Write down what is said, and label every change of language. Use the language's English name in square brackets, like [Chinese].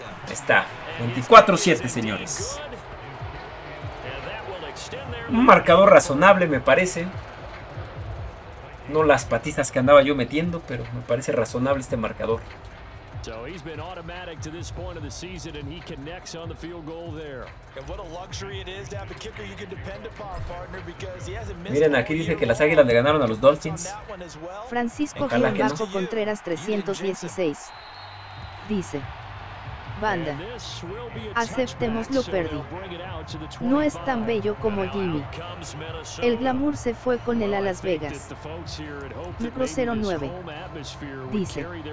[Spanish] Está 24-7, señores. Un marcador razonable, me parece. No las patizas que andaba yo metiendo, pero me parece razonable este marcador. [English] So he's been automatic to this point of the season, and he connects on the field goal there. And what a luxury it is to have a kicker you can depend upon, partner, because he hasn't missed. [Spanish] Miren, aquí dice que las Águilas le ganaron a los Dolphins. Francisco Gilbasco Contreras 316 dice, banda, aceptémoslo, Purdy. No es tan bello como Jimmy. El glamour se fue con él a Las Vegas. Micro 09. Dice.